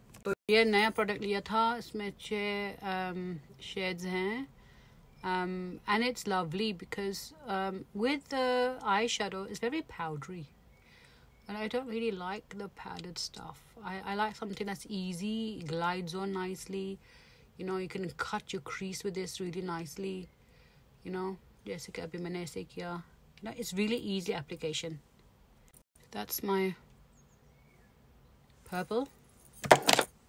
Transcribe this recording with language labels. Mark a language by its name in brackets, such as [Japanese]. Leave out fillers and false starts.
[Hindi] तो ये नया प्रोडक्ट लिया था, इसमें छः शेड्स हैं [English] And it's lovely because with the eye shadow is very powdery and I don't really like the powdered stuff. I like something that's easy, glides on nicely. You know, you can cut your crease with this really nicely. You know, [Hindi] जैसे कि अभी मैंने ऐसे किया. [English] You know, it's really easy application. That's my purple.